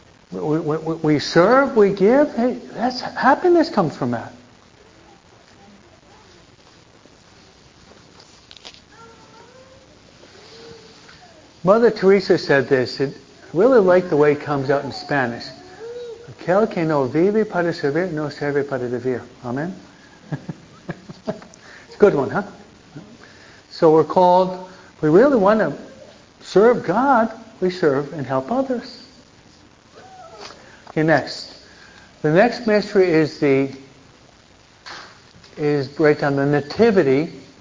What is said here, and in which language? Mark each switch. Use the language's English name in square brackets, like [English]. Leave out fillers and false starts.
[English] We serve, we give. Hey, that's happiness comes from that. Mother Teresa said this. I really like the way it comes out in Spanish. [Spanish] Aquel que no vive para servir, no sirve para vivir. [English] Amen? It's a good one, huh? So we're called, we really want to serve God, we serve and help others. Okay, next. The next mystery is the Nativity.